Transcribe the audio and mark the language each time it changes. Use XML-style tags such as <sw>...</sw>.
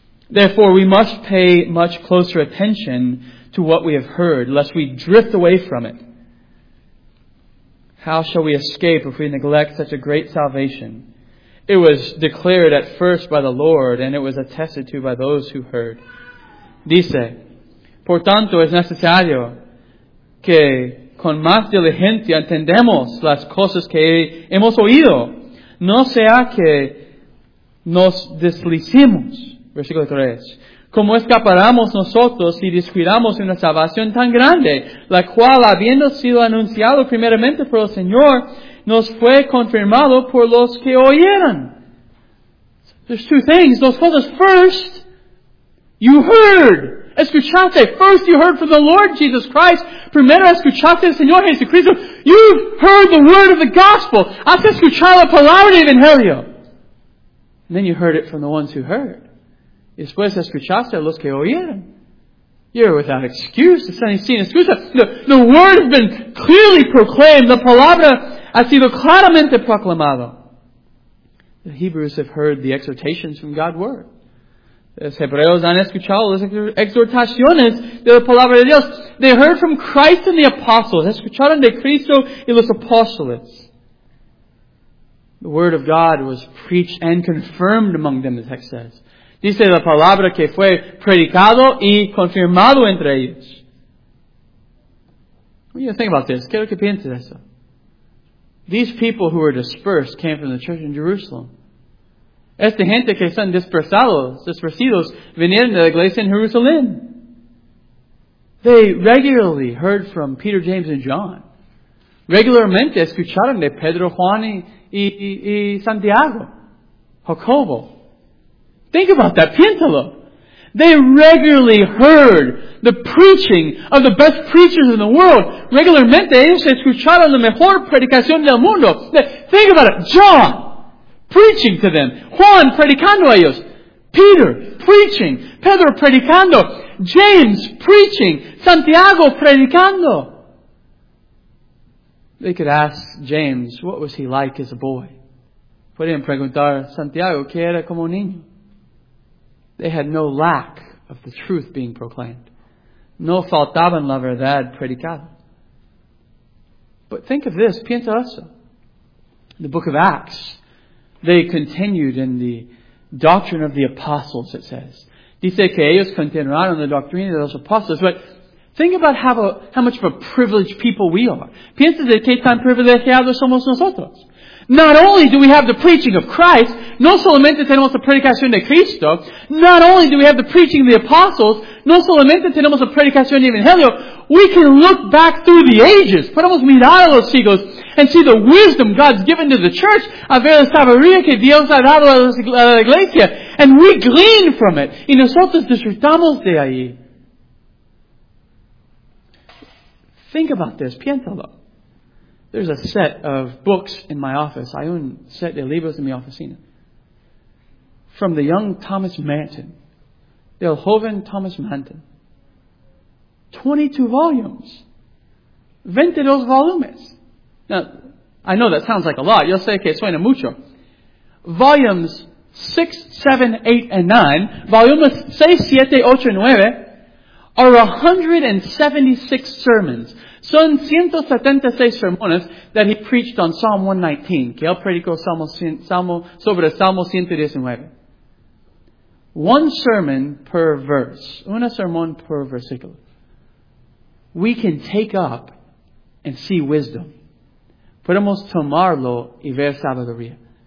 <en>Therefore, we must pay much closer attention to what we have heard, lest we drift away from it. How shall we escape if we neglect such a great salvation? It was declared at first by the Lord, and it was attested to by those who heard.</en> <es>Dice, por tanto, es necesario que con más diligencia entendamos las cosas que hemos oído, no sea que nos deslicemos. Versículo 3. Como escaparamos nosotros y descuidamos una salvación tan grande, la cual, habiendo sido anunciado primeramente por el Señor, nos fue confirmado por los que oyeron.</es> <en>There's two things.</en> <es>Dos cosas.</es> <en>First, you heard.</en> <es>Escuchaste.</es> <en>First, you heard from the Lord Jesus Christ.</en> <es>Primero, escuchaste al Señor Jesucristo.</es> <en>You've heard the word of the gospel.</en> <es>Has escuchado la palabra del Evangelio.</es> <en>And then you heard it from the ones who heard.</en> <es>Y después, escuchaste a los que oyeron.</es> <en>You're without excuse. It's not seen. Excuse. The word has been clearly proclaimed. The</en> <es>palabra ha sido claramente proclamado.</es> <en>The Hebrews have heard the exhortations from God's word.</en> <es>Los Hebreos han escuchado las exhortaciones de la palabra de Dios.</es> <en>They heard from Christ and the apostles.</en> <es>Escucharon de Cristo y los apóstoles.</es> <en>The word of God was preached and confirmed among them, the text says.</en> <es>Dice la palabra que fue predicado y confirmado entre ellos.</es> <en>What do you think about this?</en> <es>Quiero que pienses eso.</es> <en>These people who were dispersed came from the church in Jerusalem.</en> <es>Esta gente que son dispersidos, vinieron de la iglesia en Jerusalén.</es> <en>They regularly heard from Peter, James, and John.</en> <es>Regularmente escucharon de Pedro, Juan, y Santiago, Jacobo.</es> <en>Think about that,</en> <es>piéntalo.</es> <en>They regularly heard the preaching of the best preachers in the world.</en> <es>Regularmente, ellos escucharon la mejor predicación del mundo.</es> <en>Think about it. John, preaching to them.</en> <es>Juan predicando a ellos.</es> <en>Peter preaching.</en> <es>Pedro predicando.</es> <en>James preaching.</en> <es>Santiago predicando.</es> <en>They could ask James, what was he like as a boy?</en> <es>Podrían preguntar a Santiago, ¿qué era como niño?</es> <en>They had no lack of the truth being proclaimed.</en> <es>No faltaban la verdad predicada.</es> <en>But think of this,</en> <es>piensa eso.</es> <en>The book of Acts, they continued in the doctrine of the apostles, it says.</en> <es>Dice que ellos continuaron la doctrina de los apóstoles.</es> <en>But think about how much of a privileged people we are.</en> <es>Piensa de qué tan privilegiados somos nosotros.</es> <en>Not only do we have the preaching of Christ,</en> <es>no solamente tenemos la predicación de Cristo,</es> <en>not only do we have the preaching of the apostles,</en> <es>no solamente tenemos la predicación del Evangelio,</es> <en>we can look back through the ages,</en> <es>podemos mirar a los siglos,</es> <en>and see the wisdom God's given to the church,</en> <es>a ver la sabiduría que Dios ha dado a la iglesia,</es> <en>and we glean from it,</en> <es>y nosotros disfrutamos de ahí.</es> <en>Think about this,</en> <es>piénsalo.</es> <en>There's a set of books in my office.</en> <es>Hay un set de libros en mi oficina.</es> <en>From the young Thomas Manton.</en> <es>Del joven Thomas Manton.</es> <en>22 volumes. 22 volumes. Now, I know that sounds like a lot. You'll say</en> <es>que suena mucho.</es> <en>Volumes 6, 7, 8, and 9. Volumes 6, 7, 8, and 9. Are 176 sermons.</en> <es>Son 176 sermones</es> <en>that he preached on Psalm 119.</en> <es>Que él predicó sobre Salmo 119.</es> <en>One sermon per verse.</en> <es>Una sermón per versículo.</es> <en>We can take up and see wisdom.</en> <es>Podemos tomarlo y ver sabiduría.</es>